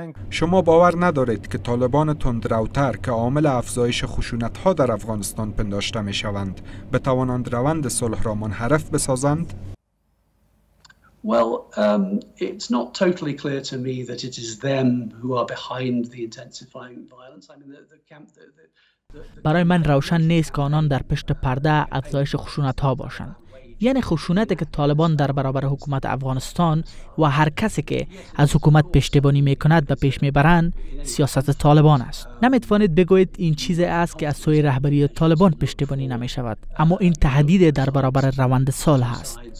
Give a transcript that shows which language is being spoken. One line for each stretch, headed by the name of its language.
Persian: شما باور ندارید که طالبان تندروتر که عامل افزایش خشونت‌ها در افغانستان پنداشته می‌شوند بتوانند روند صلح را منحرف بسازند؟
English: Well, it's not totally clear to me that it is them who are behind the intensifying violence. I mean, the camp.
Persian: برای من روشن نیست که آنان در پشت پرده افزایش خشونت‌ها باشند. یعنی خشونتی که طالبان در برابر حکومت افغانستان و هر کسی که از حکومت پشتیبانی میکند به پیش میبرند سیاست طالبان است. نمیتوانید بگویید این چیزی است که از سوی رهبری طالبان پشتیبانی نمیشود، اما این تهدید در برابر روند صلح است.